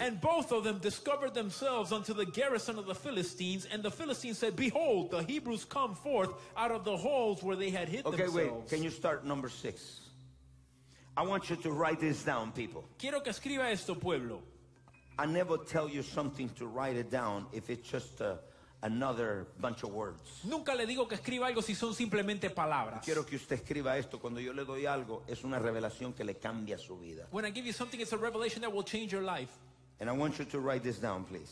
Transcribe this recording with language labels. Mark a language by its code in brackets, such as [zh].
[en] And both of them discovered themselves unto the garrison of the Philistines, and the Philistines said, behold, the Hebrews come forth out of the holes where they had hid okay, themselves. Okay, wait, can you start number 6? I want you to write this down, people. [es] Quiero que escriba esto, pueblo. [en] I never tell you something to write it down if it's just another bunch of words. [es] Nunca le digo que escriba algo si son simplemente palabras. Quiero que usted escriba esto cuando yo le doy algo, es una revelación que le cambia su vida. [en] When I give you something, it's a revelation that will change your life. And I want you to write this down, please.